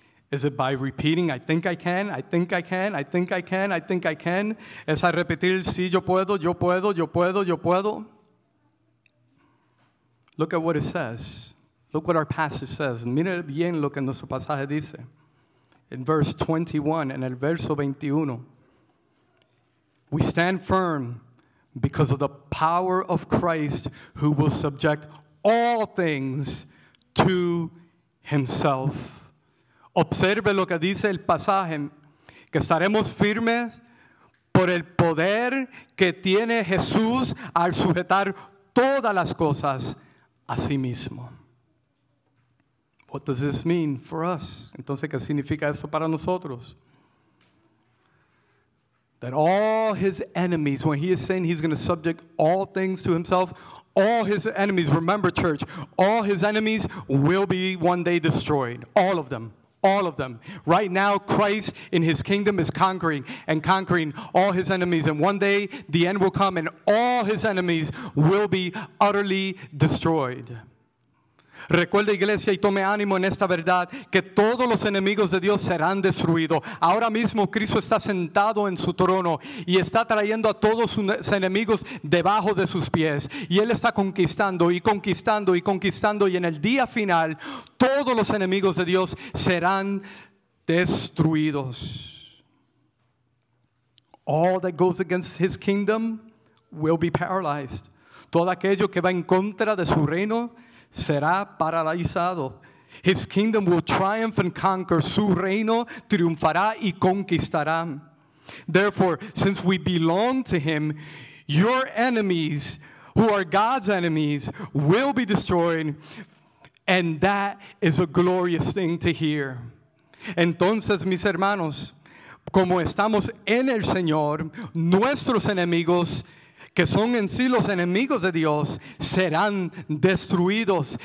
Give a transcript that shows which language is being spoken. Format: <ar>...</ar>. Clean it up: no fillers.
<en>Is it by repeating, I think I can, I think I can, I think I can, I think I can?</en> <es>Es a repetir, sí, yo puedo, yo puedo, yo puedo, yo puedo.</es> <en>Look at what it says. Look what our passage says.</en> <es>Mira bien lo que nuestro pasaje dice.</es> <en>In verse 21,</en> <es>en el verso 21.</es> <en>We stand firm because of the power of Christ who will subject all things to himself.</en> <es>Observe lo que dice el pasaje, que estaremos firmes por el poder que tiene Jesús al sujetar todas las cosas a sí mismo.</es> <en>What does this mean for us?</en> <es>Entonces, ¿qué significa eso para nosotros?</es> <en>That all his enemies, when he is saying he's going to subject all things to himself, all his enemies, remember church, all his enemies will be one day destroyed, all of them. All of them. Right now, Christ in his kingdom is conquering and conquering all his enemies. And one day, the end will come and all his enemies will be utterly destroyed.</en> <es>Recuerda, iglesia, y tome ánimo en esta verdad, que todos los enemigos de Dios serán destruidos. Ahora mismo, Cristo está sentado en su trono y está trayendo a todos sus enemigos debajo de sus pies. Y Él está conquistando y conquistando y conquistando. Y en el día final, todos los enemigos de Dios serán destruidos.</es> <en>All that goes against His kingdom will be paralyzed.</en> <es>Todo aquello que va en contra de su reino será paralizado.</es> <en>His kingdom will triumph and conquer.</en> <es>Su reino triunfará y conquistará.</es> <en>Therefore, since we belong to him, your enemies, who are God's enemies, will be destroyed. And that is a glorious thing to hear.</en> <es>Entonces, mis hermanos, como estamos en el Señor, nuestros enemigos, que son en sí los enemigos de Dios, serán destruidos.</es>